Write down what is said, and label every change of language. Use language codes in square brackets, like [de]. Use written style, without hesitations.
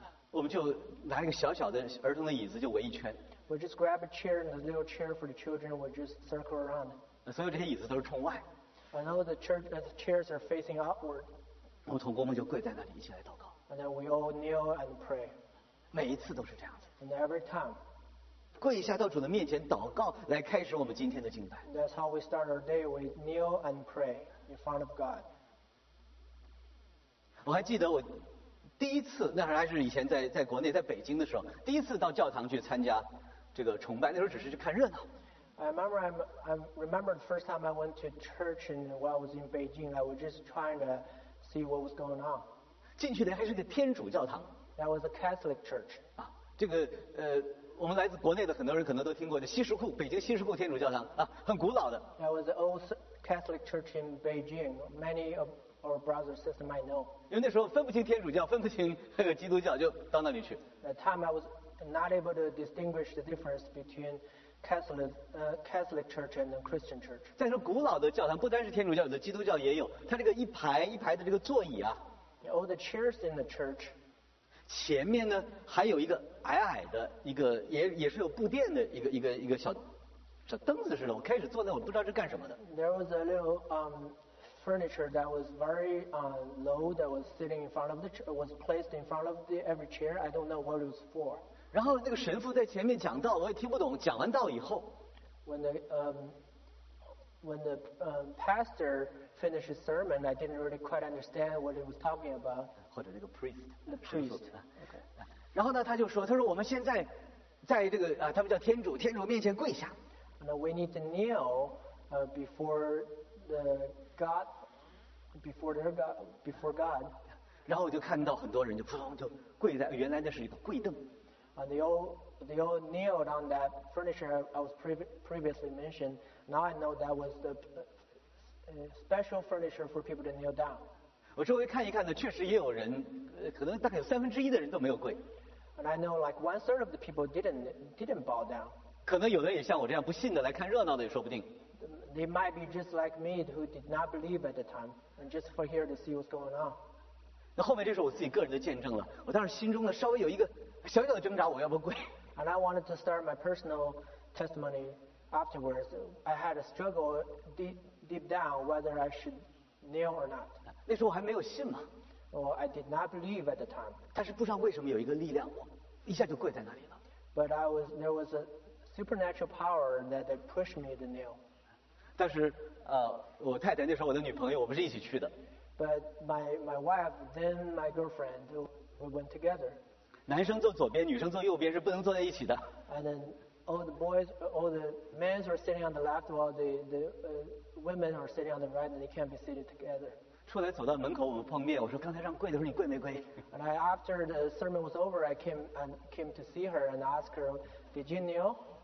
[zh] 我们就拿一个小小的儿童的椅子就围一圈。 [en] We just grab a chair and a little chair for the children. We just circle around. [zh] 所有这些椅子都是冲外。 [en] I know the chairs are facing outward. [zh] 我们同工们就跪在那里一起来祷告。 [en] And then we all kneel and pray. [zh] 每一次都是这样子。 [en] And every time. [zh] 跪一下到主的面前祷告，来开始我们今天的敬拜。 [en] That's how we start our day. We kneel and pray in front of God. [zh] 我还记得我。第一次，那还是以前在国内，在北京的时候，第一次到教堂去参加这个崇拜，那时候只是去看热闹。 [en] I remember the first time I went to church and while I was in Beijing, I was just trying to see what was going on. [zh] 进去的还是个天主教堂。 [en] That was a Catholic church. [zh] 啊，这个我们来自国内的很多人可能都听过的西什库，北京西什库天主教堂啊，很古老的。 [en] That was an old Catholic church in Beijing. Many of our brother system I know. [zh] 因为那时候分不清天主教，分不清基督教，就到那里去。 [en] At time I was not able to distinguish the difference between Catholic church and Christian church. [zh] 再说古老的教堂不单是天主教，有的基督教也有。它这个一排一排的这个座椅啊。 [en] All the chairs in the church. [zh] 前面呢还有一个矮矮的一个也是有布垫的一个小凳子似的。我开始坐那我不知道是干什么的。 [en] There was a little furniture that was very low that was sitting in front of the chair, was placed in front of every chair. I don't know what it was for. [zh] 然后那个神父在前面讲道，我也听不懂。讲完道以后 [en] ，when the pastor finished his sermon, I didn't really quite understand what he was talking about. [zh] 或者那个 priest, [en] the priest. [zh] 然后呢，他就说，他说我们现在在这个他们叫天主面前跪下。 [en] And we need to kneel before the God, before their God, before God. [zh] 然后我就看到很多人就砰就跪在，原来那是一个跪凳。 [en] They all kneeled on that furniture I was previously mentioned. Now I know that was the special furniture for people to kneel down. [zh] 我周围看一看呢，确实也有人，可能大概有三分之一的人都没有跪。 [en] And I know like one third of the people didn't bow down. [zh] 可能有的也像我这样不信的来看热闹的也说不定。 [en] They might be just like me who did not believe at the time and just for here to see what's going on. [zh] 那后面这是我自己个人的见证了，我当时心中呢稍微有一个小小的挣扎，我要不跪。 [en] And I wanted to start my personal testimony afterwards. I had a struggle deep down whether I should kneel or not. [zh] 那时候我还没有信嘛。 [en] Well, I did not believe at the time. [zh] 但是不知道为什么有一个力量，我一下就跪在那里了。 [en] But there was a supernatural power that pushed me to kneel. [zh] 但是我太太那时候我的女朋友，我们是一起去的。 [en] But my wife then my girlfriend we went together. [zh] 男生坐左边，女生坐右边，是不能坐在一起的。 [en] And then all the men are sitting on the left, while the women are sitting on the right, and they can't be seated together. [zh] 出来走到门口，我们碰面，我说刚才让跪的时候你跪没跪 [en] ？And I, after the sermon was over, I came to see her and ask her, did you kneel?